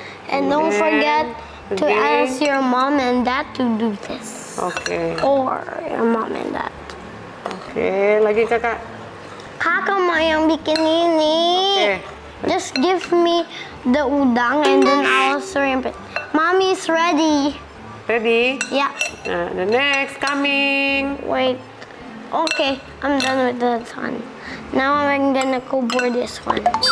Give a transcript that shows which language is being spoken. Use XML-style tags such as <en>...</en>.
<en>And don't forget to ask your mom and dad to do this. Okay. Or your mom and dad.</en> <id>Okay, lagi kakak. Kakak mau yang bikin ini. Okay.</id> <en>Just give me the udang and then I'll shrimp it. Mommy's ready. Ready? Yeah. The next coming. Wait. Okay, I'm done with this one. Now I'm gonna kubur this one.</en>